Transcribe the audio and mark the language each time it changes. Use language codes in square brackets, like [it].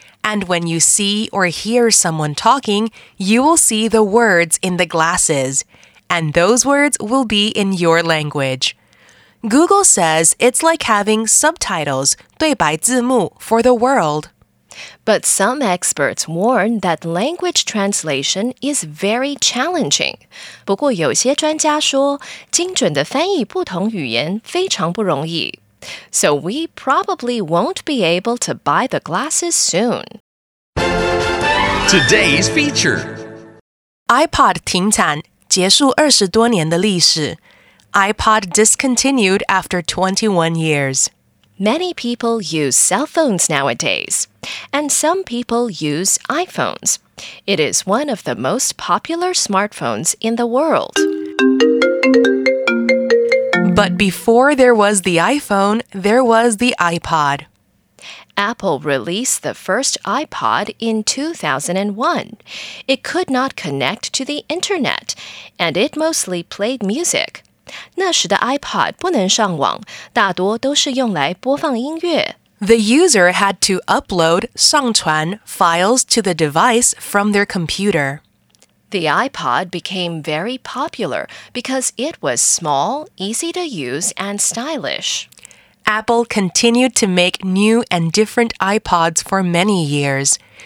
[en] And when you see or hear someone talking, you will see the words in the glasses, and those words will be in your language. Google says it's like having subtitles, 对白字幕, for the world. But some experts warn that language translation is very challenging. [zh] 不过有些专家说,精准的翻译不同语言非常不容易。 [en] So we probably won't be able to buy the glasses soon. Today's feature. [zh] iPod 停产,结束二十多年的历史。 [en] iPod discontinued after 21 years. Many people use cell phones nowadays, and some people use iPhones. It is one of the most popular smartphones in the world. But before there was the iPhone, there was the iPod. Apple released the first iPod in 2001. It could not connect to the internet, and it mostly played music. [zh] 那时的 iPod 不能上网，大多都是用来播放音乐。 [en] The user had to upload 上传 files to the device from their computer. The iPod became very popular because it was small, easy to use, and stylish. Apple continued to make new and different iPods for many years.